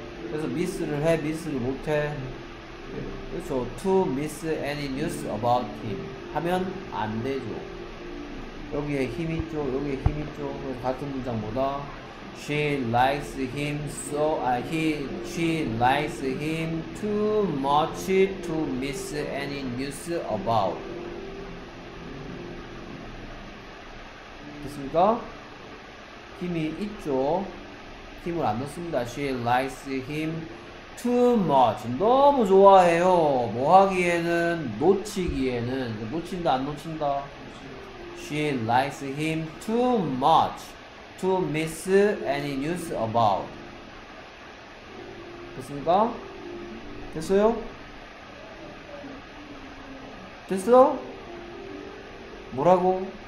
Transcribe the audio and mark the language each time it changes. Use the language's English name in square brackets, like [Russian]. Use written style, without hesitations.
[Korean] 그래서 미스를 해, 미스를 못해. 그렇죠. [English] To miss any news about him [Korean] 하면 안 되죠. 여기에 힘 있죠. 여기에 힘 있죠. 같은 문장보다 [English] she likes him so she likes him too much to miss any news about. [Korean] 됐습니까? 힘이 있죠. 힘을 안 넣습니다. [English] She likes him too much. [Korean] 너무 좋아해요. 뭐 하기에는 놓치기에는 놓친다 안 놓친다. [English] She likes him too much to miss any news about. [Korean] 됐습니까? 됐어요? 됐어? 뭐라고?